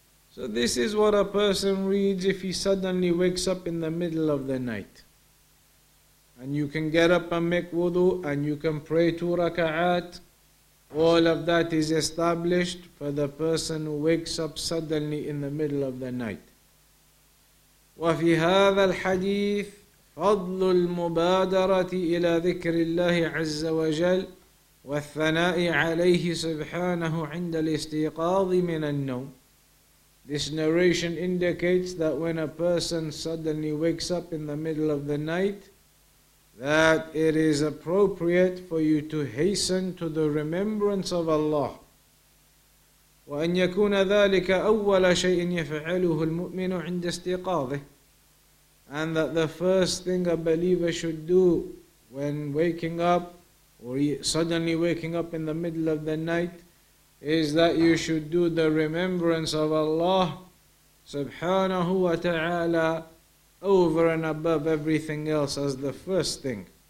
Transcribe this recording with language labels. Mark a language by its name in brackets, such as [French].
[English] So this is what a person reads if he suddenly wakes up in the middle of the night. And you can get up and make wudu, and you can pray two raka'at. All of that is established for the person who wakes up suddenly in the middle of the night. [Arabic] وفي هذا الحديث فضل المبادرة إلى ذكر الله عز وجل والثناء عليه سبحانه عند الاستيقاظ من النوم. [English] This narration indicates that when a person suddenly wakes up in the middle of the night, that it is appropriate for you to hasten to the remembrance of Allah. [Arabic] وأن يكون ذلك أول شيء يفعله المؤمن عند استيقاظه. [English] And that the first thing a believer should do when waking up, or suddenly waking up in the middle of the night, is that you should do the remembrance of Allah subhanahu wa ta'ala over and above everything else as the first thing.